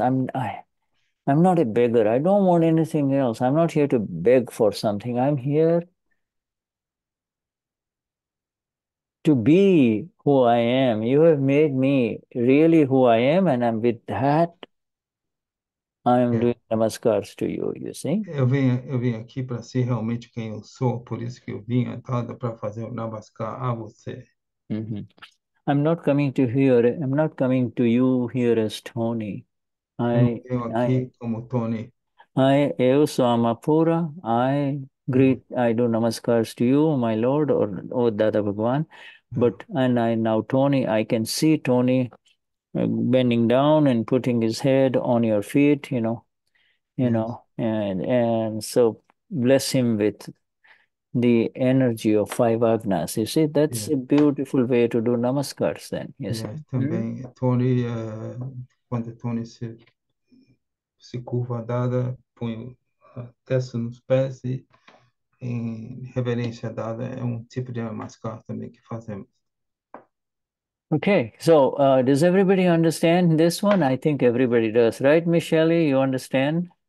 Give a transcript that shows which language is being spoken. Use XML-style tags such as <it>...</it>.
<en>I'm not a beggar. I don't want anything else. I'm not here to beg for something. I'm here to be who I am. You have made me really who I am, and I'm with that, I'm doing namaskars to you see?</en> <pt>Eu vim aqui para ser realmente quem eu sou, por isso que eu vim atada para fazer o namaskar a você.</pt> <en>I'm not coming to you here as Tony.</en> <pt>Eu não venho aqui como Tony. Eu sou Amapura.</pt> <en>I do namaskars to you, my Lord, or Dada Bhagwan. But and I now Tony, I can see Tony bending down and putting his head on your feet, Yes. and so bless him with the energy of five Agnas. You see, that's a beautiful way to do namaskars then, you see.</en> <pt>Yes, também Tony, quando Tony se curva dada, põe testa nos pés e em reverência dada é um tipo de namaskar também que fazemos.</pt> <en>Okay, so does everybody understand this one? I think everybody does, right, Michele? You understand?</en>